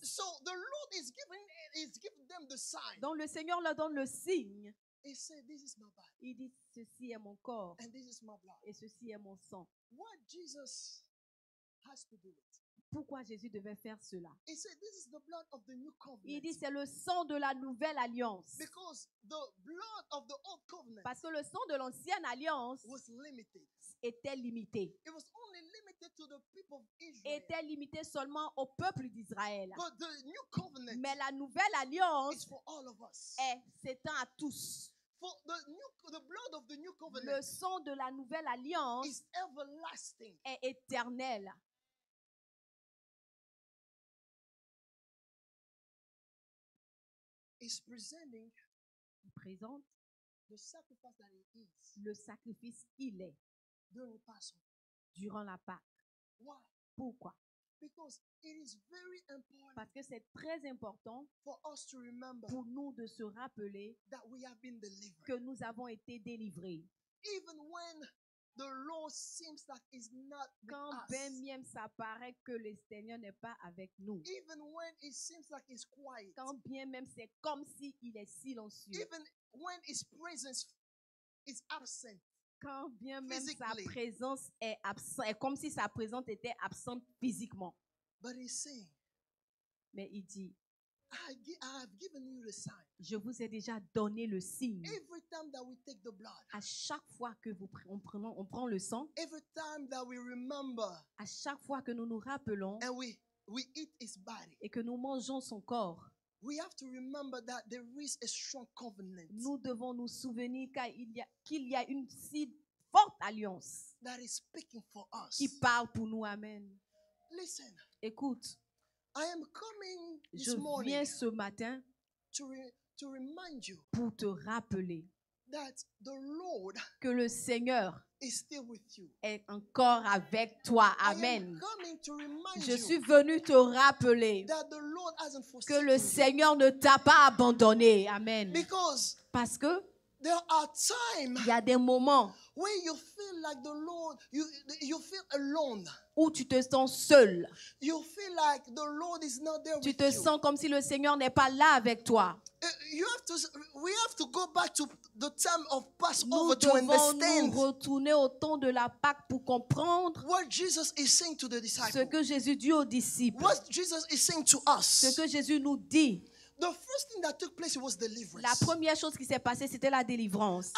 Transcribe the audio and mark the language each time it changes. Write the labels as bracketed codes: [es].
[en] So the Lord is giving, is giving them the sign. [fr] Donc le Seigneur leur donne le signe. [en] He said, "This is my body." [fr] Il dit, ceci est mon corps. [en] And this is my blood. [fr] Et ceci est mon sang. [en] What Jesus has to do it? [fr] Pourquoi Jésus devait faire cela? [en] He said, "This is the blood of the new covenant." [fr] Il dit, c'est le sang de la nouvelle alliance. [en] Because the blood of the old covenant, [fr] parce que le sang de l'ancienne alliance [en] was limited, [fr] était limité. [en] It was only limited to the people of Israel, [fr] était limité seulement au peuple d'Israël. [en] But the new covenant, [fr] mais la nouvelle alliance [en] is for all of us, [fr] est, s'étend à tous. [en] For the new, the blood of the new covenant, [fr] le sang de la nouvelle alliance [en] is everlasting, [fr] est éternel. [en] Is presenting, [fr] il présente [en] the sacrifice that he is, [fr] le sacrifice qu'il est [en] during Passover, [fr] durant la Pâque. [en] Why? [fr] Pourquoi? [en] Because it is very important, [fr] parce que c'est très important [en] for us to remember, [fr] pour nous de se rappeler [en] that we have been delivered, [fr] que nous avons été délivrés. [en] Even when the Lord seems like he's not [fr] quand [en] with [fr] ben [en] us, [fr] même ça paraît que le Seigneur n'est pas avec nous. [en] Even when it seems like he's quiet, [fr] quand bien même c'est comme si il est silencieux. [en] Even when his presence is absent, [fr] quand bien même sa présence est absente, est comme si sa présence était absente physiquement. [en] But he's saying, [fr] mais il dit, [en] I have given you the sign. [fr] Je vous ai déjà donné le signe. [en] Every time that we take the blood, [fr] à chaque fois que vous on prend le sang. [en] Every time that we remember, [fr] à chaque fois que nous nous rappelons. [en] And we eat his body, [fr] et que nous mangeons son corps. [en] We have to remember that there is a strong covenant. [fr] Nous devons nous souvenir qu'il y a une si forte alliance. [en] That is speaking for us. [fr] Qui parle pour nous, amen. [en] Listen. [fr] Écoute. [en] I am coming this morning. [fr] Je viens ce matin [en] to remind you, [fr] pour te rappeler, [en] that the Lord, [fr] que le Seigneur [en] is still with you, [fr] est encore avec toi. Amen. [en] I am coming to remind [fr] je [en] you, [fr] suis venu te rappeler, [en] that the Lord hasn't forsaken, [fr] que le Seigneur ne t'a pas abandonné. Amen. [en] Because [fr] parce que [en] there are times, [fr] il y a des moments, [en] where you feel like the Lord, you feel alone, [fr] où tu te sens seul. [en] You feel like the Lord is not there [fr] tu [en] with you. [fr] Tu te sens comme si le Seigneur n'est pas là avec toi. [en] We have to go back to the time of Passover [fr] nous [en] to understand. [fr] Nous devons retourner au temps de la Pâque pour comprendre [en] what Jesus is saying to the disciples. [fr] Ce que Jésus dit aux disciples. [en] What Jesus is saying to us. [fr] Ce que Jésus nous dit. [en] The first thing that took place was deliverance. [fr] La première chose qui s'est passée, c'était la délivrance.